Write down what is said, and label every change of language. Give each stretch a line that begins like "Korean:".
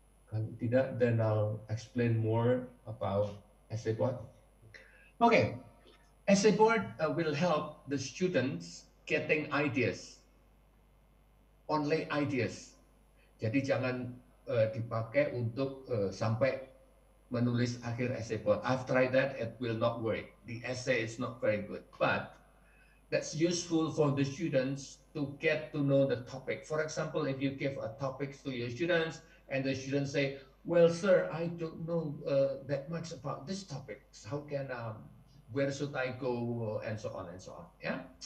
Indonesian: Kalau tidak,
English: then I'll explain more about essay board. Okay, essay board will help the students getting ideas. Only ideas.
Indonesian: Jadi jangan dipakai untuk sampai menulis akhir essay board.
English: I've tried that, it will not work. The essay is not very good, but that's useful for the students to get to know the topic. For example, if you give a topic to your students and the students say, well, sir, I don't know that much about this topic. How can, where should I go, and so on and so on, yeah?